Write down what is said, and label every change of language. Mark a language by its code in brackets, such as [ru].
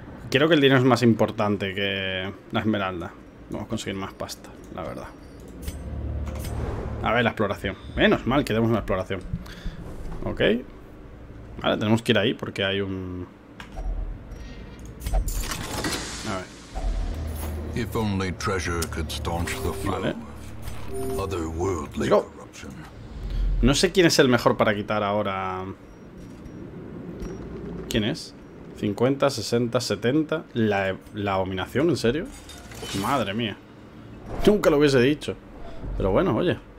[es] Creo que el dinero es más importante que la esmeralda. Vamos a conseguir más pasta, la verdad. A ver, la exploración. Menos mal que demos una exploración. Ok. Vale, tenemos que ir ahí porque hay un... A ver. [en] If only treasure could staunch the flow of otherworldly corruption. [es] No sé quién es el mejor para quitar ahora. ¿Quién es? 50, 60, 70. La abominación, ¿en serio? Madre mía. Nunca lo hubiese dicho. Pero bueno, oye.